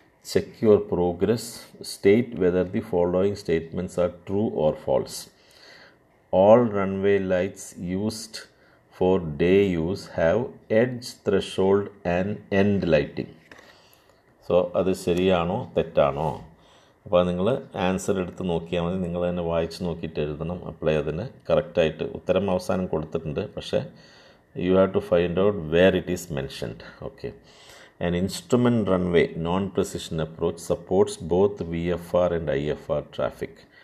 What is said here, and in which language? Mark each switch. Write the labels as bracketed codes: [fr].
[en] Check your progress. State whether the following statements are true or false. All runway lights used for day use have edge, threshold and end lighting. [ml] So അത് ശരിയാണോ തെറ്റാണോ? അപ്പോൾ നിങ്ങൾ answer എടുത്ത് നോക്കിയാൽ മതി, നിങ്ങൾ തന്നെ വായിച്ച് നോക്കിയിട്ട് എഴുതണം. അപ്ലൈ അതിന് കറക്റ്റായിട്ട് ഉത്തരം അവസാനം കൊടുത്തിട്ടുണ്ട്, പക്ഷേ [en] You have to find out where it is mentioned. [ml] Okay. [en] An instrument runway non precision approach supports both V F R and I F R traffic.